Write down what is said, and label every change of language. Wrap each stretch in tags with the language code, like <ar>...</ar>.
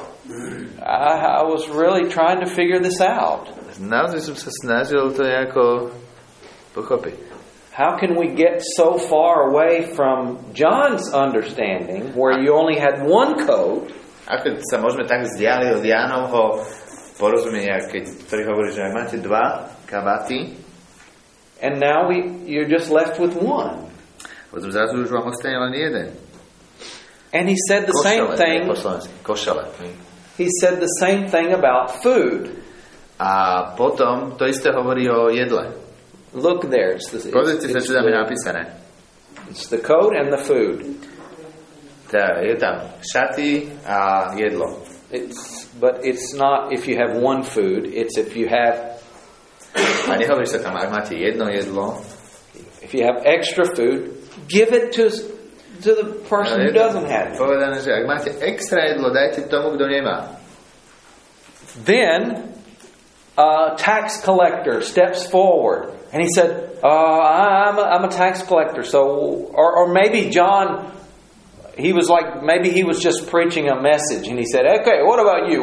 <en>I was really trying to figure this out.</en> <sk>Naozaj som sa snažil to nejako pochopiť.</sk> <en>How can we get so far away from John's understanding where you only had one coat?</en> <sk>Ako sa môžeme tak vzdialiť od Jánovho porozumenia, ktorý hovorí, že máte dva kabáty?</sk> <en>And now you're just left with one.</en> <sk>Potom zrazu už vám ostane len jeden.</sk> <en>And he said the same thing.</en> <sk>Košele.</sk> <en>He said the same thing about food.</en> <sk>A potom to isté hovorí o jedle.</sk> <en>Look there. It's the coat and the food.</en> <sk>Tá, je tam šaty a jedlo.</sk> <en>But it's not if you have one food, it's if you have</en> <sk>a nehovorí sa tam, ak máte jedno jedlo.</sk> <en>If you have extra food, give it to the person who doesn't have it.</en> <sk>Povedané, že ak máte extra jedlo, dajte tomu, kto nemá.</sk> <en>Then a tax collector steps forward and he said, I'm a tax collector. So or maybe John, he was like, maybe he was just preaching a message and he said, okay, what about you?</en>